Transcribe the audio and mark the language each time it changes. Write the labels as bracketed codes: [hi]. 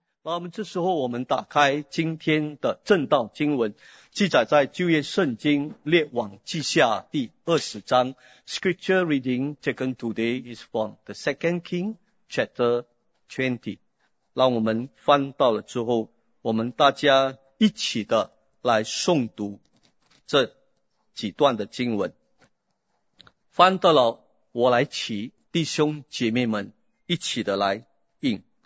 [zh] 那么这时候我们打开今天的正道经文，记载在旧约圣经列王记下第20章。 [en] Scripture reading taken today is from the 2nd King chapter 20。 [zh] 让我们翻到了之后，我们大家一起的来诵读这几段的经文。翻到了，我来起，弟兄姐妹们一起的来应。